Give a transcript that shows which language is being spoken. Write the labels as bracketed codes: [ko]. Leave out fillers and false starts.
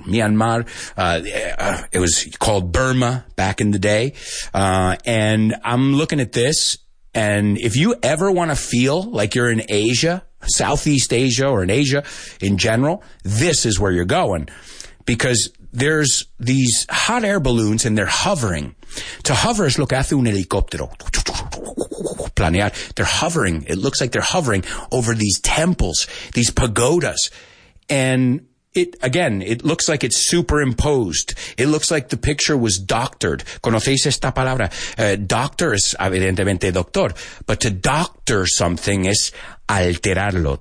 [en] Myanmar, it was called Burma back in the day, and I'm looking at this. And if you ever want to feel like you're in Asia, Southeast Asia, or in Asia in general, this is where you're going. Because there's these hot air balloons and they're hovering. To hover is [es] lo que hace un helicóptero. Planear. [en] They're hovering. It looks like they're hovering over these temples, these pagodas. And it, again, it looks like it's superimposed. It looks like the picture was doctored. [es] ¿Conocéis esta palabra? Doctor es evidentemente doctor. [en] But to doctor something is alterarlo.